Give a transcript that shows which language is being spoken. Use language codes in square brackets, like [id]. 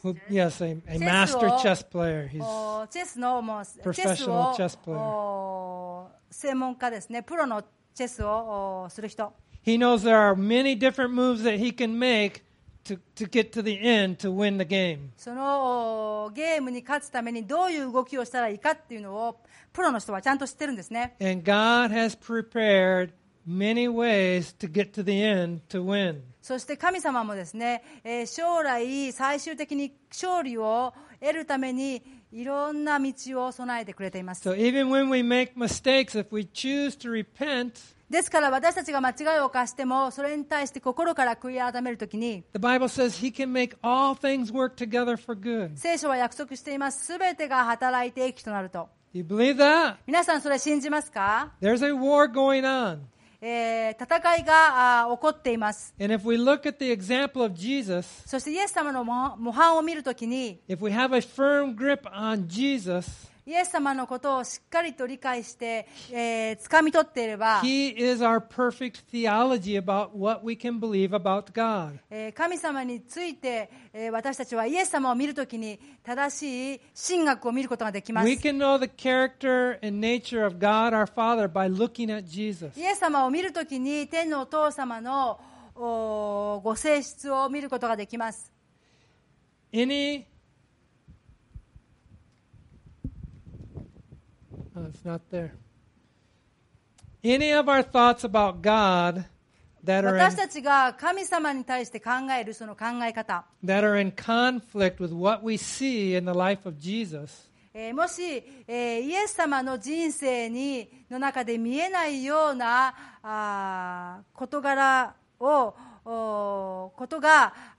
[en] Yes, a master chess player. He's [ja] チェスのもう [en] professional chess player. [ja] 専門家ですね。プロのチェスをする人。 [en] He knows there are many different moves that he can make. To get to the end, to win the game. [ja] そのゲームに勝つためにどういう動きをしたらいいかっていうのをプロの人はちゃんと知ってるんですね。 [en] And God has prepared many ways to get to the end to win. [ja] そして神様もですね、将来最終的に勝利を得るためにいろんな道を備えてくれています。 [en] So even when we make mistakes, if we choose to repent. [ja] ですから私たちが間違いを犯してもそれに対して心から悔い改めるときに [en] The Bible says he can make all things work together for good. [ja] 聖書は約束しています。すべてが働いて益となると。 [en] Do you believe that? [ja] 皆さんそれ信じますか? [en] There's a war going on. [ja] 戦いが起こっています。 [en] And if we look at the example of Jesus, [ja] そしてイエス様の模範を見るときに [en] If we have a firm grip on Jesus, [ja] イエス様のことをしっかりと理解して、掴み取っていれば [en] He is our perfect theology about what we can believe about God. [ja] 神様について、私たちはイエス様を見るときに正しい神学を見ることができます。 [en] We can know the character and nature of God our Father by looking at Jesus. [ja] イエス様を見るときに天のお父様のご性質を見ることができます。 [en] It's not there. Any of our thoughts about God that are [ja] 私たちが神様に対して考えるその考え方 [en] that are in conflict with what we see in the life of Jesus. [ja] もし、イエス様の人生にの中で見えないような事柄をことが